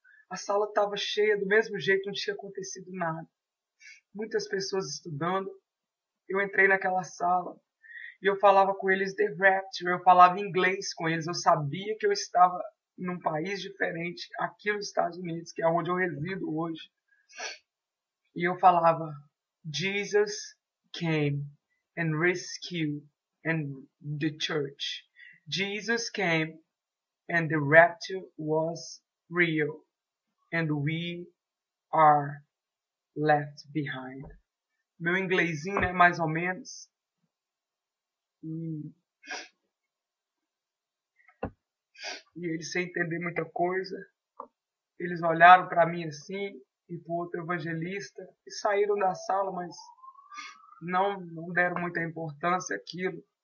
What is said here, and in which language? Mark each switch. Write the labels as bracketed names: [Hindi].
[Portuguese] A sala estava cheia do mesmo jeito, não tinha acontecido nada. Muitas pessoas estudando. Eu entrei naquela sala e eu falava com eles The Rapture, eu falava inglês com eles. Eu sabia que eu estava num país diferente, aqui nos Estados Unidos, que é onde eu resido hoje. [English] E eu falava: Jesus came and rescued the church. Jesus came and the rapture was real and we are left behind. [Portuguese] meu inglesinho, né, mais ou menos. E eles, sem entender muita coisa, eles olharam para mim assim e para o outro evangelista e saíram da sala, mas não deram muita importância àquilo.